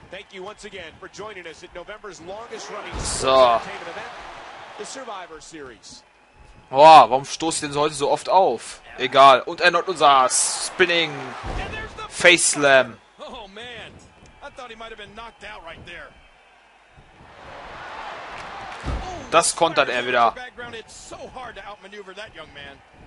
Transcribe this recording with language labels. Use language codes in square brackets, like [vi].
[en] Thank you once again for joining us at November's longest running entertainment event, the Survivor Series. [de] Boah, warum stoße ich denn so heute so oft auf? Egal. Und erneut unser Spinning Face Slam. [en] Oh man, I thought he might have been knocked out right there. [de] Das kontert er wieder. [en] It's so hard to outmaneuver that young man.